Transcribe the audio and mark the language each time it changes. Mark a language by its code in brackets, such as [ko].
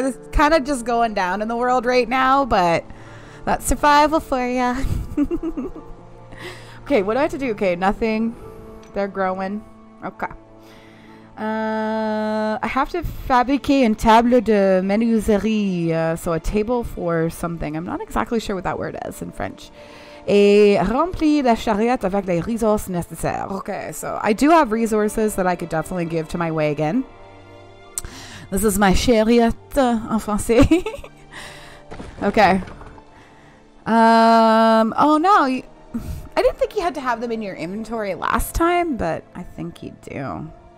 [en] It's kind of just going down in the world right now, but that's survival for ya. Okay, what do I have to do? Okay, nothing. They're growing. Okay. I have to fabricate a table de menuiserie. So a table for something. I'm not exactly sure what that word is in French. [fr] Et remplir la charrette avec les ressources nécessaires. [en] Okay, so I do have resources that I could definitely give to my wagon. This is my charrette [fr] en français. [en] Okay. Oh no, I didn't think you had to have them in your inventory last time, but I think you do.